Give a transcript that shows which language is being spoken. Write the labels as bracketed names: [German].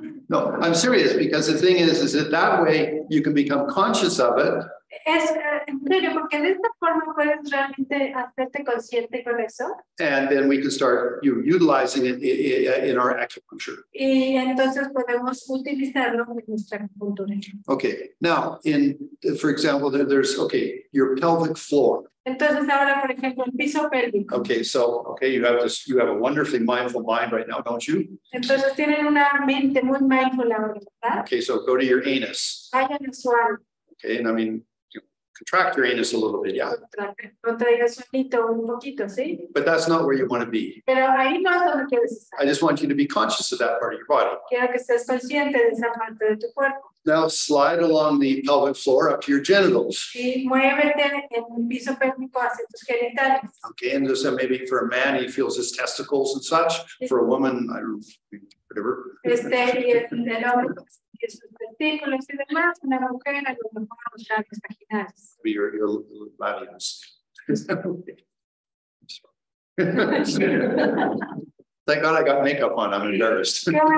[English] No, I'm serious, because the thing is that way you can become conscious of it. [Spanish] Es en serio, porque de esta forma puedes realmente hacerte consciente con eso. [English] And then we can start utilizing it in our acupuncture. [Spanish] Y entonces podemos utilizarlo en nuestra acupuntura. [English] Okay, now, for example, there's, okay, your pelvic floor. [Spanish] Entonces ahora, por ejemplo, el piso pélvico. [English] Okay, so, okay, you have a wonderfully mindful mind right now, don't you? [Spanish] Entonces tienen una mente muy mindful ahora, ¿verdad? [English] Okay, so go to your anus. [Spanish] Vayan a su alma. [English] Okay, and I mean, you know, contract your anus a little bit, yeah. But that's not where you want to be. [Spanish] Pero ahí no es donde quieres estar. [English] I just want you to be conscious of that part of your body. [Spanish] Quiero que seas consciente de esa parte de tu cuerpo. [English] Now slide along the pelvic floor up to your genitals. [Spanish] Y muévete en el piso pélvico hacia tus genitales. [English] Okay, and so maybe for a man, he feels his testicles and such. Sí. For a woman, I don't know, whatever. Thank God I got makeup on. I'm embarrassed.